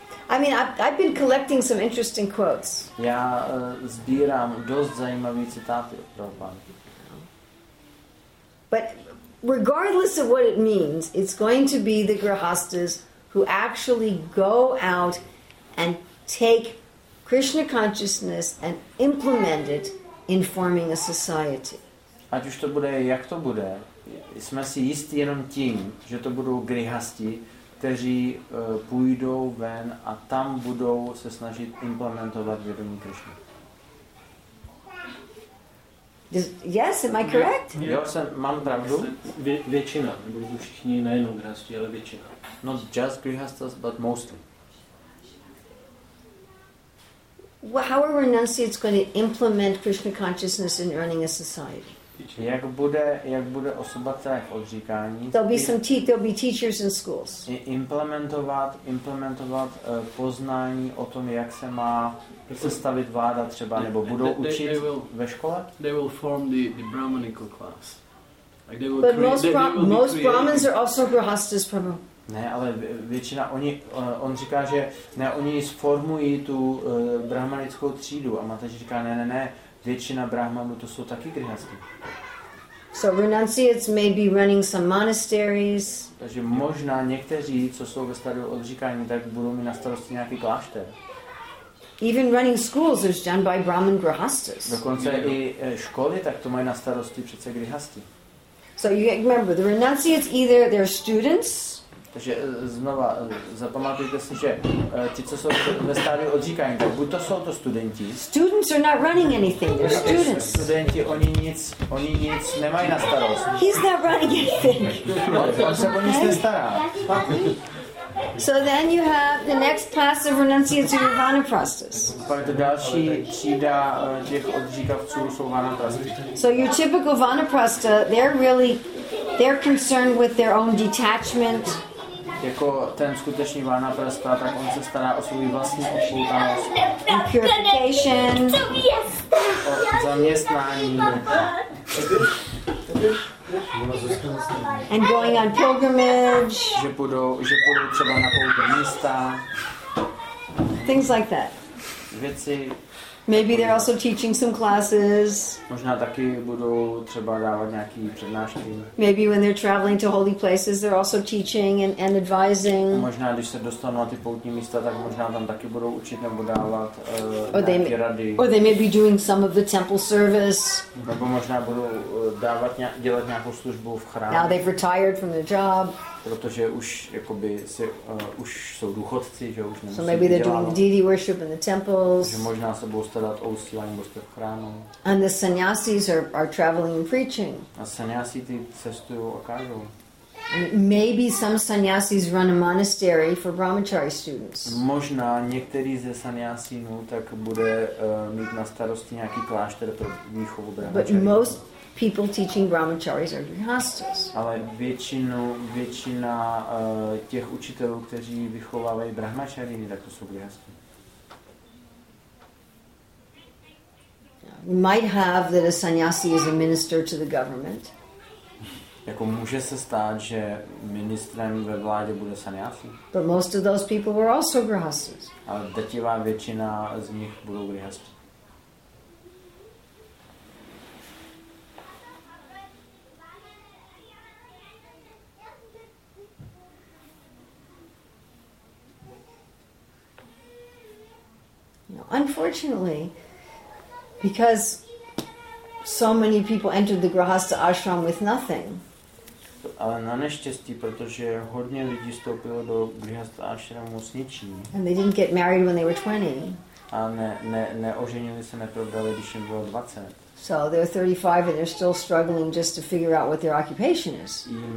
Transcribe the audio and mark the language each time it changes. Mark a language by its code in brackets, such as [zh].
[en] I mean, I've been collecting some interesting quotes. [cs] Já sbírám dost zajímavé citáty od Prabhupády. [en] But regardless of what it means, it's going to be the grihasthas who actually go out and take Krishna consciousness and implement it in forming a society. [cs] Ať už to bude, jak to bude, jsme si jistí jenom tím, že to budou grihasti, kteří půjdou ven a tam budou se snažit implementovat vědomí Krishna. [en] Yes, am I correct? [cs] Jo, jsem, mám pravdu? Většina, nebo všichni nejenom grihasti, ale většina. [en] Not just grihasthas, but mostly. Well, how are renunciates going to implement Krishna consciousness in running a society? [cs] Jak bude osoba, která je v odříkání? [en] There'll be teachers in schools. [cs] Implementovat poznání o tom, jak se má sestavit vláda třeba, nebo budou učit ve škole? [en] They will form the brahmanical class. Like they will but create, most Brahmins are also grihasthas, Prabhu. [cs] Ne, ale většina, on říká, že ne, oni sformují tu brahmanickou třídu a Mataji říká, ne, většina brahmanů to jsou taky grihasthi. [en] So renunciates may be running some monasteries. [cs] Takže možná někteří, co jsou ve stadiu odříkání, tak budou mít na starosti nějaký klášter. [en] Even running schools is done by Brahmin grihasthas. [cs] Dokonce i školy tak to mají na starosti přece grihasthi. [en] So you remember, the renunciates either they're students. [cs] Takže znova, zapamatujte si, že ti, co jsou ve stádiu odříkání, tak buď to jsou to studenti. [en] Students are not running anything, they're students. [cs] Studenti, oni nic nemají na starost. [en] He's not running anything. [cs] On se o nic nestará. [en] So then you have the next class of renunciates are vanaprastas. [cs] Pak to další třída těch odříkavců jsou vanaprastas. [en] So your typical vanaprasta, they're concerned with their own detachment. [cs] Jako ten skutečný vanaprasta, tak on se stará o svůj vlastní odpoutanost. [en] And purification. [cs] O zaměstnání. [en] And going on pilgrimage. [cs] Že půjdou třeba na pouto místa. [en] Things like that. [cs] Věci. [en] Maybe they're also teaching some classes. [cs] Možná taky budou třeba dávat nějaký přednášky. [en] Maybe when they're traveling to holy places, they're also teaching and advising. [cs] Možná když se dostanou na ty poutní místa, tak možná tam taky budou učit nebo dávat nějaké rady. [en] Or they may be doing some of the temple service. [cs] Nebo možná budou dělat nějakou službu v chrámu. [en] Now they've retired from their job. [cs] Protože už jakoby se už jsou důchodci, že už nemusí. [en] So maybe they're doing deity worship in the temples. [cs] Že možná se budou starat o uctívání božstev v chrámu. [en] And the sannyasis are traveling and preaching. [cs] A sannyasi ty cestují a kážou. [en] Maybe some sannyasis run a monastery for brahmachari students. [cs] Možná některý ze sannyasinů tak bude mít na starosti nějaký klášter pro výchovu brahmachari. [en] But most people teaching brahmacharis are grihasthas. [cs] Ale většina těch učitelů, kteří vychovávají brahmačary, tak to jsou grihasthi. [en] Might have that a sannyasi is a minister to the government. [cs] Jako může se stát, že ministrem ve vládě bude sannyasi. [en] But most of those people were also grihasthas. [cs] Ale drtivá většina z nich budou grihasthi. [en] Unfortunately, because so many people entered the grahastha ashram with nothing. [cs] Ale na neštěstí, protože hodně lidí vstoupilo do grihastha ashramu s ničím. [en] And they didn't get married when they were 20. [cs] A neoženili se, neprobrali, když jim bylo 20. [en] So they're 35 and they're still struggling just to figure out what their occupation is.